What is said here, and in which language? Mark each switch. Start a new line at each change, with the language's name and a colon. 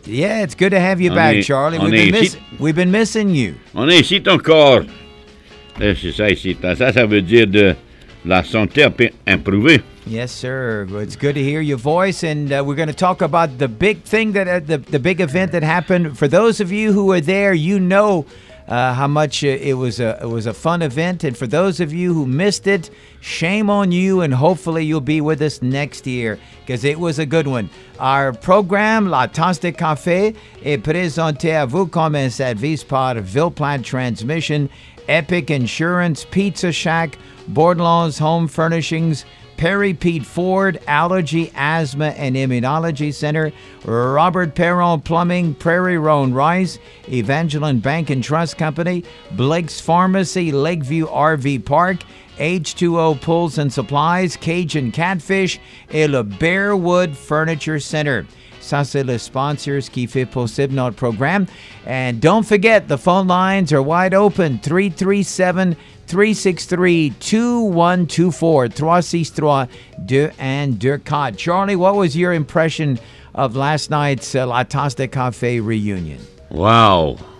English: Yeah, it's good to have you back, Charlie. We've been missing you.
French: On est ici encore. C'est ça, ici. Ça veut dire de la santé un peu improuvée.
English: Yes, sir. It's good to hear your voice, and we're going to talk about the big thing that the big event that happened. For those of you who were there, you know how much it was a fun event. And for those of you who missed it, shame on you. And hopefully, you'll be with us next year because it was a good one. Our program
French: La Tasse de Café est présenté à vous comme un service par Villeplan Transmission,
English: Epic Insurance, Pizza Shack, Bordelon's Home Furnishings, Perry Pete Ford, Allergy, Asthma, and Immunology Center, Robert Perron Plumbing, Prairie Roan Rice, Evangeline Bank and Trust Company, Blake's Pharmacy, Lakeview RV Park, H2O Pools and Supplies, Cajun Catfish, et le Bearwood Furniture Center.
French: Ça, c'est les sponsors qui fait possible notre programme.
English: And don't forget, the phone lines are wide open, 337-363-2124, 363-2124. Charlie, what was your impression of last night's La Tasse de Café reunion? Wow.